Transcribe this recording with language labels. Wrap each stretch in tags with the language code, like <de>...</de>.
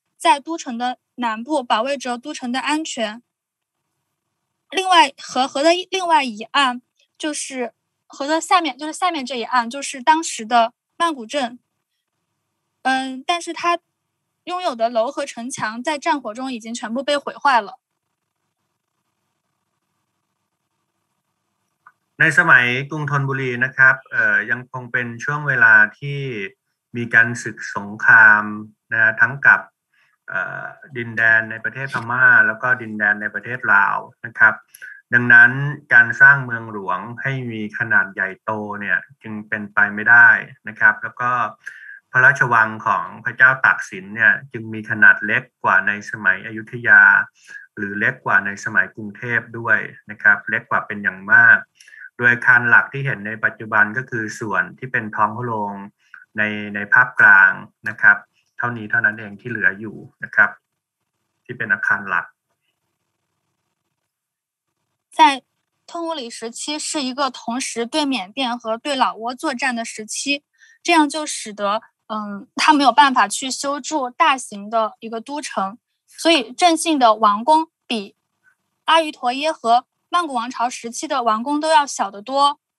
<zh>在都城的南部保卫着都城的安全。另外河的另外一岸就是河的下面，就是下面这一岸就是当时的曼谷镇。但是它拥有的楼和城墙在战火中已经全部被毁坏了。</zh> <th>ในสมัยกรุงธนบุรีนะครับยังคงเป็นช่วงเวลาที่มีการศึกสงครามนะทั้งกับดินแดนในประเทศพม่าแล้วก็ดินแดนในประเทศลาวนะครับดังนั้นการสร้างเมืองหลวงให้มีขนาดใหญ่โตเนี่ยจึงเป็นไปไม่ได้นะครับแล้วก็ พระราชวังของพระเจ้าตากสินเนี่ยจึงมีขนาดเล็กกว่าในสมัยอยุธยาหรือเล็กกว่าในสมัยกรุงเทพด้วยนะครับเล็กกว่าเป็นอย่างมากโดยคานหลักที่เห็นในปัจจุบันก็คือส่วนที่เป็นท้องพระโรงในภาพกลางนะครับเท่านี้เท่านั้นเองที่เหลืออยู่นะครับที่เป็นอาคารหลัก</th> <zh>在通武里时期是一个同时对缅甸和对老挝作战的时期这样就使得他没有办法去修筑大型的一个都城，所以镇信的王宫比阿瑜陀耶和曼谷王朝时期的王宫都要小得多。</zh>